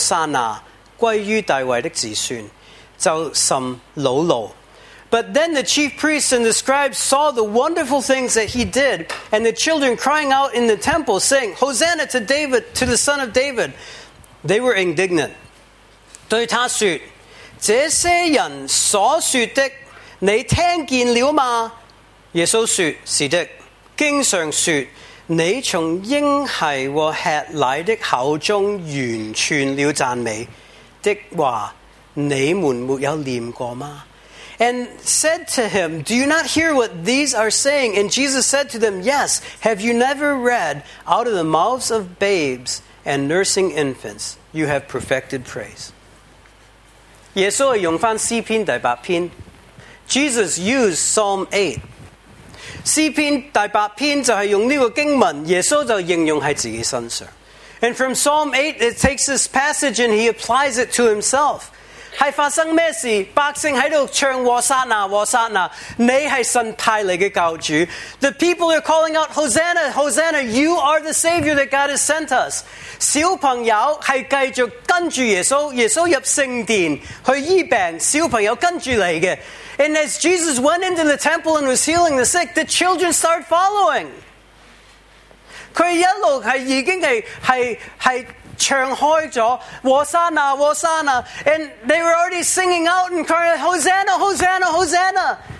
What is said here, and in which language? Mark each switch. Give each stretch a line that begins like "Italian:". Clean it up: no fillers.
Chinese: 在诗章和文士看见耶稣所行的奇事，又见小孩子在殿里喊着说：和撒拿，归于大卫的子孙。
English: But then the chief priests and the scribes saw the wonderful things that he did, and the children crying out in the temple, saying, Hosanna to David, to the son of David. They were indignant.
Chinese: 对他说，这些人所说的，你听见了吗？耶稣说，是的，经常说，你从婴孩和吃奶的口中完全了赞美的话。你们没有念过吗?
English: And said to him, Do you not hear what these are saying? And Jesus said to them, Yes, have you never read, Out of the mouths of babes and nursing infants, you have perfected praise.
Chinese: 耶稣用翻诗篇第八篇,
English: Jesus used Psalm 8.
Chinese: 诗篇第八篇就是用这个经文, 耶稣就应用在自己身上.
English: And from Psalm 8, it takes this passage and he applies it to himself.
Chinese: 是发生什么事?百姓在唱,Hosanna,Hosanna,你是神派来的教主.
English: The people are calling out, Hosanna, Hosanna, you are the Savior that God has sent us.
Chinese: 小朋友是继续跟着耶稣,耶稣入圣殿,去医病,小朋友跟着来的.
English: And as Jesus went into the temple and was healing the sick, the children started following.
Chinese: 他一路已经是
English: Hosanna, Hosanna, and they were already singing out and crying, Hosanna, Hosanna, Hosanna.